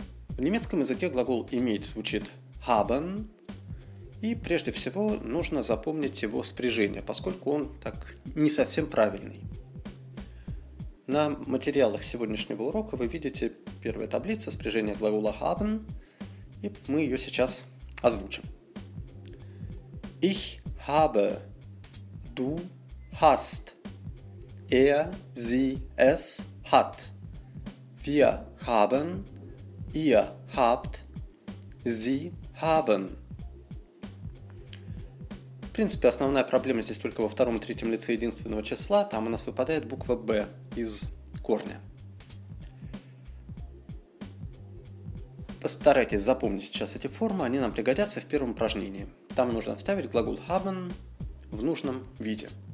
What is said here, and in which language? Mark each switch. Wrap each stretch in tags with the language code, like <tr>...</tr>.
<ru>В немецком языке глагол «иметь» звучит «haben», и прежде всего нужно запомнить его спряжение, поскольку он так не совсем правильный. На материалах сегодняшнего урока вы видите первую таблицу спряжения глагола «haben», и мы ее сейчас озвучим.</ru> <de>Ich habe, du hast, er, sie, es hat, wir haben, ihr habt, sie haben.</de> <ru>В принципе, основная проблема здесь только во втором и третьем лице единственного числа, там у нас выпадает буква «b» из корня. Постарайтесь запомнить сейчас эти формы, они нам пригодятся в первом упражнении. Там нужно вставить глагол haben в нужном виде.</ru>